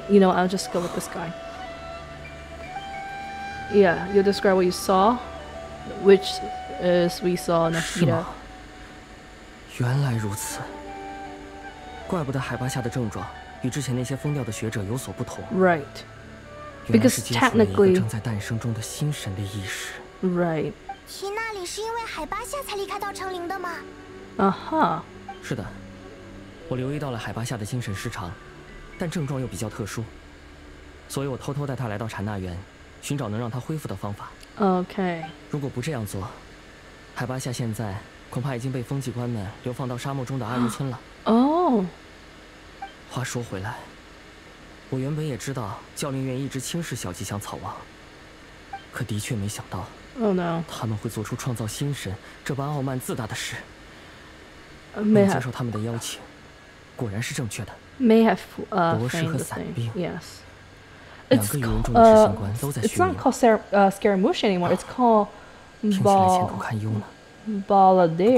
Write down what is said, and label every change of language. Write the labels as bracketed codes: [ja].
[en] You know, I'll just go with this guy. Yeah, you'll describe what you saw, which is we saw Nahida. [zh] 原来如此。怪不得海巴夏的症状与之前那些疯掉的学者有所不同。 [en] Right. Because technically, [zh] 原来是接触了一个正在诞生中的新神的意识。 [en] Right. [zh] 去那里是因为海巴夏才离开稻城陵的吗？ Uh-huh. 是的。我留意到了海巴夏的精神失常， 但症状又比较特殊。所以我偷偷带他来到禅那园， 寻找能让他恢复的方法。 [en] Okay. [zh] 如果不这样做， 海巴夏现在 恐怕已经被风纪官们流放到沙漠中的暗入村了。哦，话说回来，我原本也知道教令院一直轻视小吉祥草王，可的确没想到，他们会做出创造新神这般傲慢自大的事。能接受他们的邀请，果然是正确的。博士和伞兵，yes. [en] It's not called Scaramouche anymore. It's called Baladair.